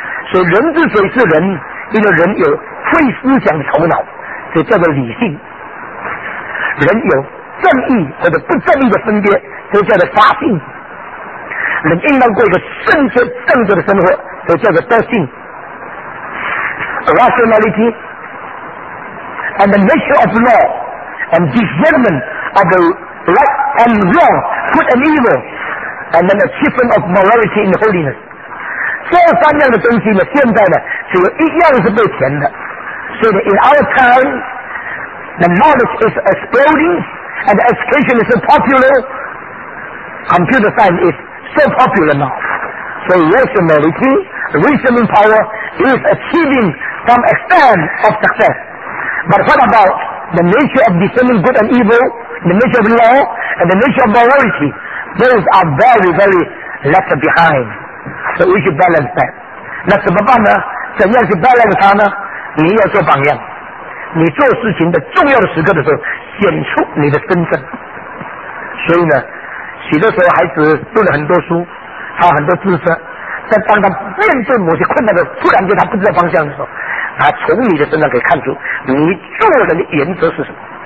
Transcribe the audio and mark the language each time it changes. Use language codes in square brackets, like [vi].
[zh] 所以人之所以是人，因为人有会思想的头脑，所以叫做理性。人有正义或者不正义的分别，所以叫做发性。人应当过一个圣洁正直的生活，所以叫做德性。 [en] Rationality and the nature of law and discernment of the right and wrong, good and evil, and then achievement of morality and holiness。 [zh] 这三样的东西呢，现在呢，只有一样是被填的。所以 [en] ，in our time, the knowledge is exploding, and education is so popular. Computer science is so popular now. So rationality, reasoning power is achieving some extent of success. But what about the nature of discerning good and evil, the nature of law, and the nature of morality? Those are very, very left behind. So we should balance that. [zh] 那怎么办呢？怎样去 balance 它呢？你要做榜样。你做事情的重要的时刻的时候，显出你的身份。所以呢，许多时候孩子读了很多书，他很多知识，但当他面对某些困难的时候，突然间他不知道方向的时候，他从你的身上可以看出你做人的原则是什么。